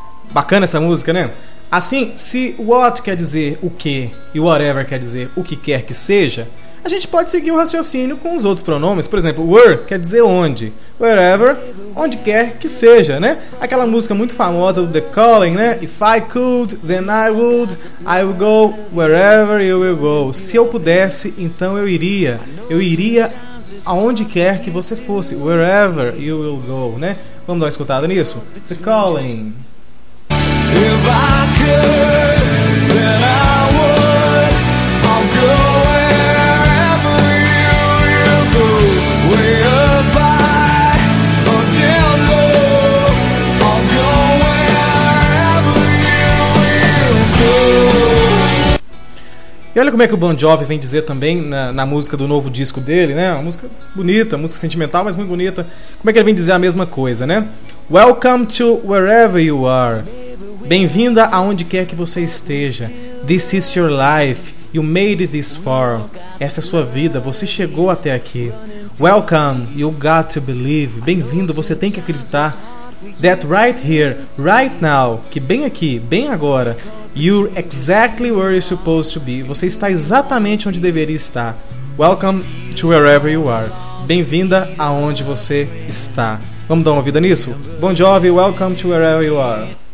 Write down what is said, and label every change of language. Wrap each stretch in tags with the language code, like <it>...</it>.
<pt>Bacana essa música, né? Assim, se what quer dizer o que e whatever quer dizer o que quer que seja, a gente pode seguir o raciocínio com os outros pronomes. Por exemplo, where quer dizer onde. Wherever, onde quer que seja, né? Aquela música muito famosa do The Calling, né?</pt> <en>If I could, then I would go wherever you will go.</en> <pt>Se eu pudesse, então eu iria. Eu iria aonde quer que você fosse.</pt> <en>Wherever you will go,</en> <pt>né? Vamos dar uma escutada nisso?</pt> <en>The Calling. If I could, then I would, I'll go wherever you go, way up high or down low, I'll go wherever you go.</en> <pt>E olha como é que o Bon Jovi vem dizer também na música do novo disco dele, né? Uma música bonita, música sentimental, mas muito bonita. Como é que ele vem dizer a mesma coisa, né?</pt> <en>Welcome to wherever you are.</en> <pt>Bem-vinda aonde quer que você esteja.</pt> <en>This is your life. You made it this far.</en> <pt>Essa é sua vida. Você chegou até aqui.</pt> <en>Welcome. You got to believe.</en> <pt>Bem-vindo. Você tem que acreditar.</pt> <en>That right here, right now.</en> <pt>Que bem aqui, bem agora.</pt> <en>You're exactly where you're supposed to be.</en> <pt>Você está exatamente onde deveria estar.</pt> <en>Welcome to wherever you are.</en> <pt>Bem-vinda aonde você está. Vamos dar uma ouvida nisso?</pt> <en>Bon Jovi, welcome to wherever you are.</en>